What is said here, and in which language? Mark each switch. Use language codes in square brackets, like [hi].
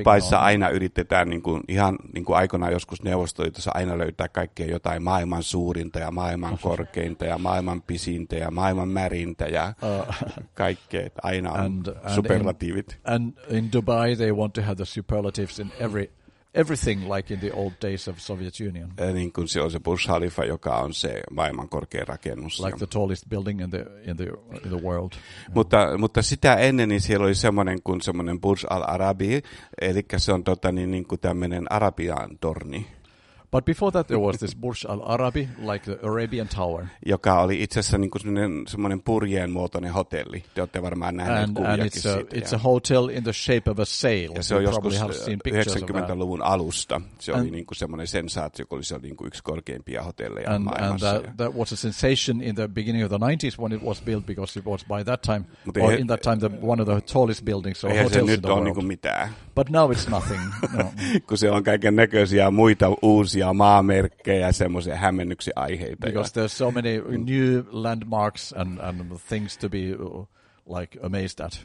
[fi] Dubaissa aina yritetään niin kuin aikoinaan joskus Neuvostoliitossa aina löytää kaikkea jotain maailman suurinta ja maailman korkeinta ja maailman pisintä ja maailman märintä ja kaikkea. Aina on superlatiivit. [en] And in Dubai they want to have the superlatives in everything like in the old days of Soviet Union. [fi] Niin kuin se on se Burj Khalifa, joka on se maailman korkein rakennus. [en] Like the tallest building in the world. [fi] Mutta sitä ennen niin siellä oli semmoinen Burj Al Arabi, eli se on niin kuin tämmöinen Arabian torni. [en] But before that there was this Burj Al Arabi, like the Arabian Tower. [fi] Joka oli itse asiassa niin kuin semmoinen purjeen muotoinen hotelli. Te olette varmaan nähneet kuviakin siitä. [en] And it's a hotel in the shape of a sail. [fi] Ja se on joskus 90-luvun alusta. Se oli niin kuin semmoinen sensaatio, kun se oli niin kuin yksi korkeimpia hotelleja maailmassa. [en] And that was a sensation in the beginning of the 90s when it was built, because it was by that time, one of the tallest buildings or hotels in the world. [fi] Niin kuin mitään. [en] But now it's nothing. No. [fi] Kun se on kaiken näköisiä muita uusia maamerkkejä, semmoisia hämmennyksiä aiheita. [en] Because there's so many new landmarks and things to be like amazed at.